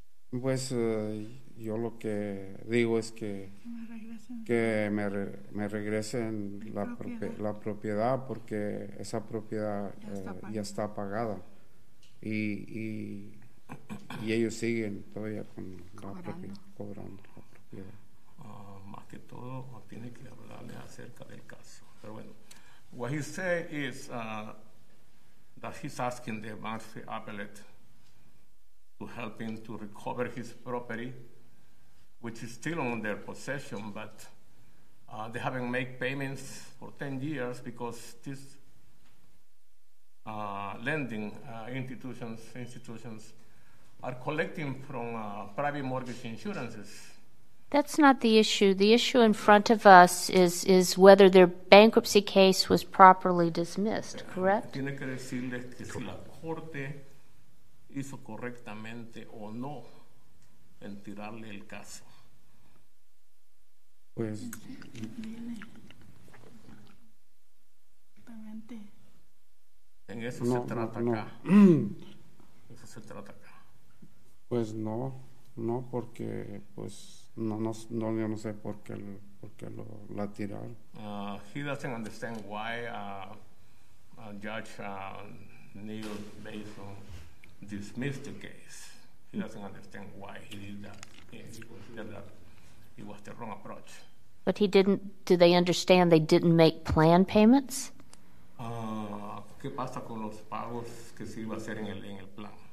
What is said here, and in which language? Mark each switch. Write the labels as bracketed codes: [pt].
[es] Pues yo lo que digo es que me regresen la propiedad, porque esa propiedad ya está pagada. Y ellos siguen todavía con cobrando la propiedad. Más que todo, tiene que hablarle acerca del caso. Pero bueno, [en] what he said is that he's asking the Bankruptcy Appellate to help him to recover his property, which is still on their possession, but they haven't made payments for 10 years because this lending institutions are collecting from private mortgage insurances. That's not the issue. The issue in front of us is whether their bankruptcy case was properly dismissed, correct? [es] Tiene que decirles que si la corte hizo correctamente o no en tirarle el caso. Pues exactamente. En eso no, se trata no, acá. No. Eso se trata acá. Pues no porque pues no yo no sé por qué lo la tiraron. [en] He doesn't understand why a judge Neil Mason dismissed the case. He doesn't understand why he did that. He considered that it was the wrong approach. But he didn't. Do they understand they didn't make plan payments? [es] ¿Qué pasa con los pagos que se iba a hacer en el plan?